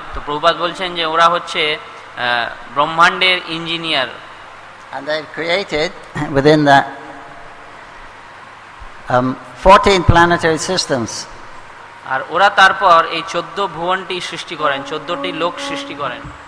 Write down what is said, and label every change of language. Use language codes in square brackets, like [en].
[bn] তো প্রভুপাদ বলছেন যে ওরা হচ্ছে ব্রহ্মাণ্ডের engineer. [en] And they've created within that 14 planetary systems. [bn] আর ওরা তারপর এই 14 ভুবনটি সৃষ্টি করেন, 14টি লোক সৃষ্টি করেন।